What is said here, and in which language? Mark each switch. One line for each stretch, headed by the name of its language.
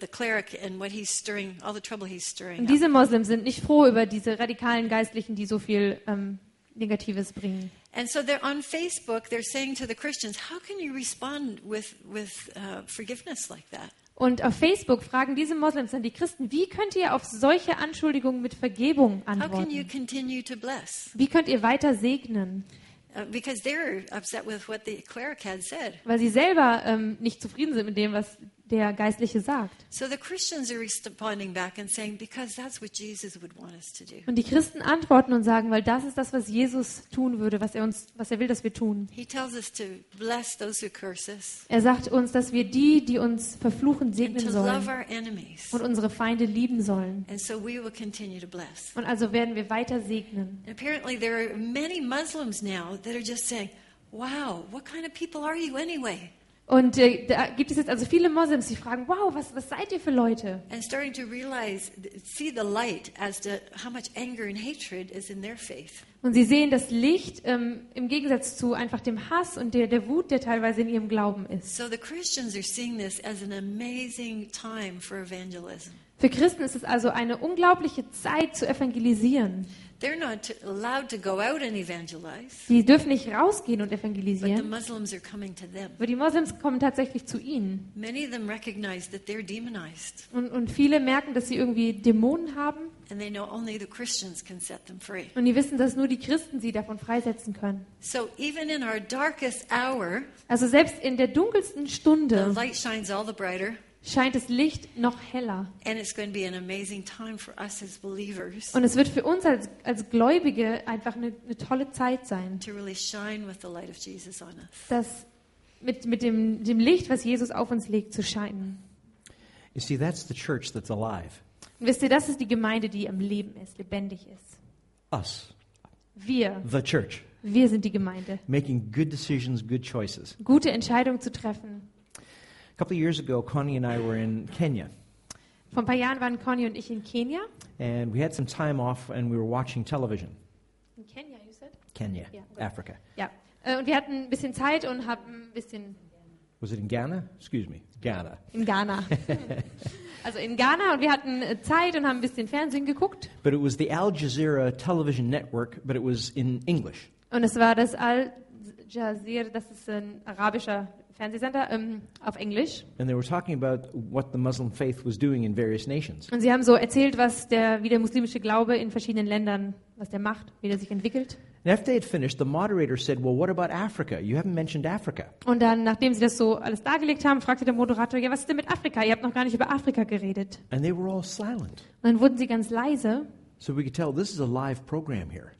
German: Und diese Moslems sind nicht froh über diese radikalen Geistlichen, die so viel Negatives bringen.
English: And so they're on Facebook, they're saying to the Christians, how can you respond with forgiveness like that?
German: Und auf Facebook fragen diese Moslems dann die Christen, wie könnt ihr auf solche Anschuldigungen mit Vergebung antworten?
English: How can you continue to bless?
German: Wie könnt ihr weiter segnen?
English: Because they're upset with what the cleric had said.
German: Weil sie selber nicht zufrieden sind mit dem, was der Geistliche sagt.
English: So the Christians are responding back and saying, because that's what Jesus would want us to do.
German: Und die Christen antworten und sagen, weil das ist das, was Jesus tun würde, was er will, dass wir tun.
English: He tells us to bless those who curse us.
German: Er sagt uns, dass wir die, die uns verfluchen, segnen sollen.
English: And to love our enemies.
German: Und unsere Feinde lieben sollen.
English: And so we will continue to bless.
German: Und also werden wir weiter segnen.
English: And apparently there are many Muslims now that are just saying, wow, what kind of people are you anyway?
German: Und da gibt es jetzt also viele Moslems, die fragen, wow, was seid ihr für Leute?
English: And starting to realize, see the light as to how much anger and hatred is in their faith.
German: Und sie sehen das Licht im Gegensatz zu einfach dem Hass und der Wut, der teilweise in ihrem Glauben ist.
English: So the Christians are seeing this as an amazing time for evangelism.
German: Für Christen ist es also eine unglaubliche Zeit zu evangelisieren.
English: They're not allowed to go out and evangelize.
German: Sie dürfen nicht rausgehen und evangelisieren.
English: But the Muslims are coming to them.
German: Aber die Moslems kommen tatsächlich zu ihnen.
English: Many of them recognize that they're demonized.
German: Und viele merken, dass sie irgendwie Dämonen haben.
English: And they know only the Christians can set them free.
German: Und die wissen, dass nur die Christen sie davon freisetzen können.
English: So even in our darkest hour,
German: also selbst in der dunkelsten Stunde,
English: the light shines all the brighter.
German: Scheint das Licht noch heller.
English: And it's going to be an amazing time for us as believers.
German: Und es wird für uns als Gläubige einfach eine tolle Zeit sein.
English: To really shine with the light of Jesus on us.
German: Das mit dem Licht, was Jesus auf uns legt, zu scheinen.
English: You see, that's the church that's alive.
German: Und wisst ihr, das ist die Gemeinde, die am Leben ist, lebendig ist.
English: Us.
German: Wir.
English: The church.
German: Wir sind die Gemeinde.
English: Making good decisions, good choices.
German: Gute Entscheidungen zu treffen.
English: A couple of years ago, Connie and I were in Kenya.
German: Vor ein paar Jahren waren Connie und ich in Kenia.
English: And we had some time off, and we were watching television. In Kenya, you said? Kenya, yeah, Africa.
German: Ja, und wir hatten ein bisschen Zeit und haben ein bisschen.
English: Was it in Ghana? Excuse me, Ghana.
German: In Ghana. Also in Ghana, und wir hatten Zeit und haben ein bisschen Fernsehen geguckt.
English: But it was the Al Jazeera television network, but it was in English.
German: Und es war das Al Jazeera. Das ist ein arabischer Fernsehsender auf Englisch.
English: And they were talking about what the Muslim faith was doing in various nations.
German: Und sie haben so erzählt, wie der muslimische Glaube in verschiedenen Ländern, was der macht, wie der sich entwickelt.
English: And after they had finished, the moderator said, "Well, what about Africa? You haven't mentioned Africa."
German: Und dann, nachdem sie das so alles dargelegt haben, fragte der Moderator, "Ja, was ist denn mit Afrika? Ihr habt noch gar nicht über Afrika geredet."
English: And they were all silent.
German: Und dann wurden sie ganz leise.
English: So we could tell this is a live program here.